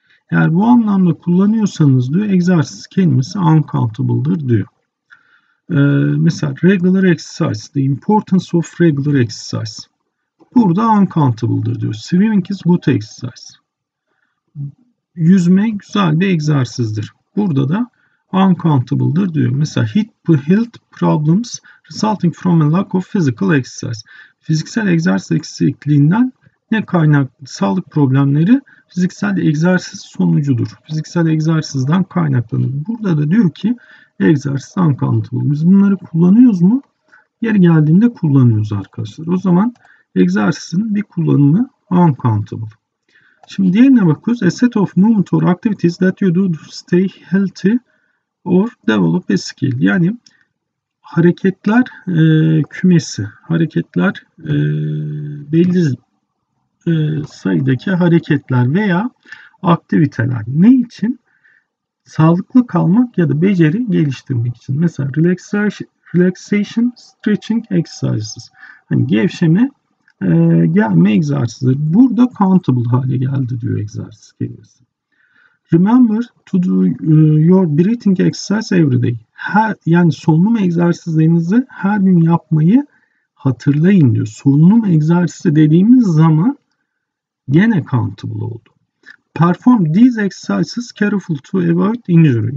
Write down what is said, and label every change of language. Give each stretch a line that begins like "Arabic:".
Turkish: Eğer bu anlamda kullanıyorsanız diyor egzersiz kelimesi uncountable'dır diyor. Mesela
English: regular exercise, the importance of regular exercise.
Turkish: Burada uncountable'dır diyor.
English: Swimming is good exercise.
Turkish: Yüzme güzel bir egzersizdir. Burada da uncountable'dır diyor. Mesela
English: hip health problems resulting from a lack of physical exercise.
Turkish: Fiziksel egzersiz eksikliğinden ne kaynaklı? Sağlık problemleri fiziksel egzersiz sonucudur. Fiziksel egzersizden kaynaklanır. Burada da diyor ki egzersiz uncountable. Biz bunları kullanıyoruz mu? Yeri geldiğinde kullanıyoruz arkadaşlar. O zaman egzersizin bir kullanımı uncountable. Şimdi diğerine bakıyoruz.
English: A set of movement or activities that you do to stay healthy or develop a skill.
Turkish: Yani hareketler kümesi, hareketler belli sayıdaki hareketler veya aktiviteler. Ne için? Sağlıklı kalmak ya da beceri geliştirmek için. Mesela
English: relaxation, stretching exercises.
Turkish: Hani gevşeme gelme egzersizleri. Burada countable hale geldi diyor egzersiz kelimesi.
English: Remember to do your breathing exercise every day.
Turkish: Yani solunum egzersizlerinizi her gün yapmayı hatırlayın diyor. Solunum egzersizi dediğimiz zaman gene countable oldu.
English: Perform these exercises careful to avoid injury.